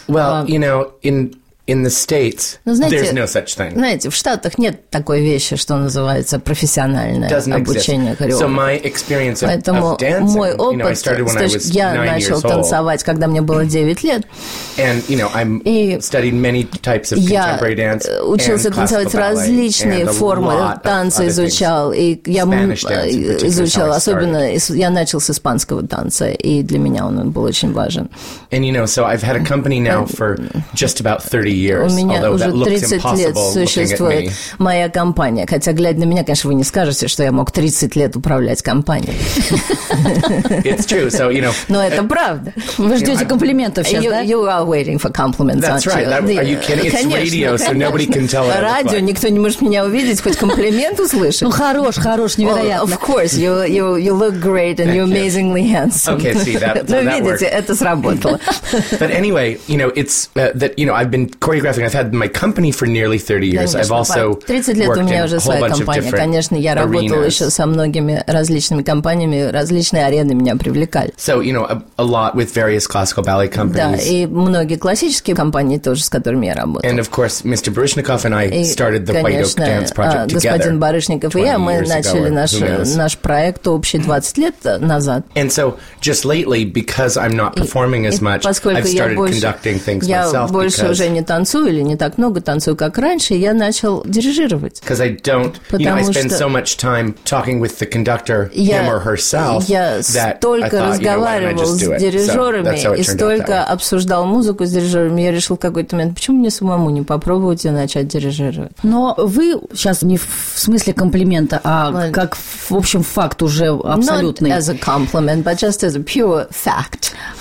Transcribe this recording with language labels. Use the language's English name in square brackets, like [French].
[English] Well, you know, in the States, there's no such thing. [Russian] Знаете, в Штатах нет такой вещи, что называется профессиональное обучение хореографа. [English] So my experience of dancing, [Russian] мой опыт, я начал танцевать, когда мне было 9 лет. [English] And, you know, I studied many types of contemporary dance and classical ballet. [Russian] Я учился танцевать различные формы танца, изучал. И я изучал, особенно я начал с испанского танца, и для меня он был очень важен. [English] And, you know, so I've had a company now for just about 30 years, [Russian] у меня уже 30 лет существует моя компания. Хотя, глядя на меня, конечно, вы не скажете, что я мог 30 лет управлять компанией. [English] It's true. So, you know, [Russian] но это правда. Вы ждете комплиментов сейчас, да? [English] You are waiting for compliments, aren't you? That's right. Are you kidding? It's radio, so nobody can tell it. [Russian] Радио, никто не может меня увидеть, хоть комплимент услышать. Ну, хорош, хорош, невероятно. [English] Of course, you look great and you're amazingly handsome. Okay, see, that worked. [Russian] Ну, видите, это сработало. [English] But anyway, you know, it's that, you know, I've been choreographing. I've had my company for nearly 30 years. I've also worked in a whole bunch of different arenas. So, you know, a lot with various classical ballet companies. [Russian] Да, и многие классические компании тоже, с которыми я работала. [English] And of course, Mr. Barishnikov and I started the White Oak Dance Project together. [Russian] Господин Барышников и я, мы начали наш проект общий 20 лет назад. [English] And so, just lately, because I'm not performing as much, I've started conducting things myself because [Russian] уже не танцую или не так много танцую, как раньше, я начал дирижировать. [English] Because I don't, you know, I spend so much time talking with the conductor, him or herself, that I thought, you know, why don't I just do it? [Russian] Столько разговаривал с дирижерами и столько обсуждал музыку с дирижерами, я решил в какой-то момент, почему мне самому не попробовать и начать дирижировать. Но вы сейчас не в смысле комплимента, а как, в общем, факт уже абсолютный. [English] Not as a compliment, but just as a pure fact.